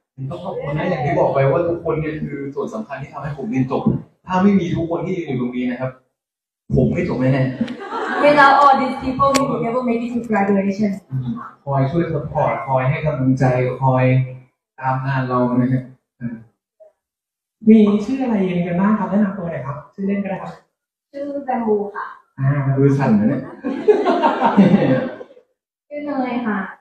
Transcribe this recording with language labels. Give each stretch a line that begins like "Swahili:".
Thai: ต้องขอบคุณนะอย่างที่บอกไปว่าทุกคนเนี่ยคือส่วนสำคัญที่ทำให้ผมเรียนจบถ้าไม่มีทุกคนที่อยู่ตรงนี้นะครับผมไม่จบแน่แน่
English: Without all these people we would never make it to graduation
Thai: คอยช่วยซัพพอร์ตคอยให้กำลังใจคอยตามงานเรานะครับ มีชื่ออะไรยังไงกันบ้างครับแนะนำตัวหน่อยครับชื่อเล่นก็ได้ครับ ชื่อแบมบูค่ ะ แบมบูสันนะเนี่ย ชื่อเนยค่ะ